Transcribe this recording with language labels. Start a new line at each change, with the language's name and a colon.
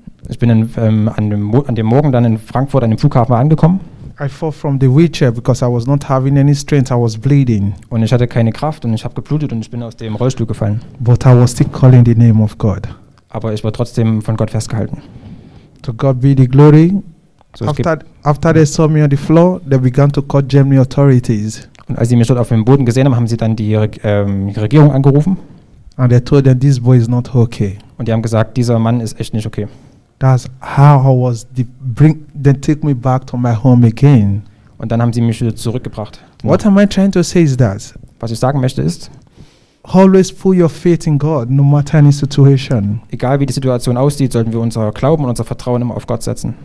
German: ich bin an dem Morgen dann in Frankfurt an dem Flughafen angekommen.
English: I fell from the wheelchair because I was not having any strength. I was bleeding.
German: Und ich hatte keine Kraft und ich habe geblutet und ich bin aus dem Rollstuhl gefallen.
English: But I was still calling the name of God.
German: Aber ich war trotzdem von Gott festgehalten.
English: To God be the glory. So after they saw me on the floor, they began to call German authorities.
German: Und als sie mich dort auf dem Boden gesehen haben, haben sie dann die Regierung angerufen.
English: And they told them this boy is not okay.
German: Und die haben gesagt, dieser Mann ist echt nicht okay.
English: That's how I was then take me back to my home again.
German: Und dann haben sie mich wieder zurückgebracht.
English: What am I trying to say is that?
German: Was ich sagen möchte ist,
English: always put your faith in God, no matter any situation.
German: Egal wie die Situation aussieht, sollten wir unser Glauben und unser Vertrauen immer auf Gott setzen.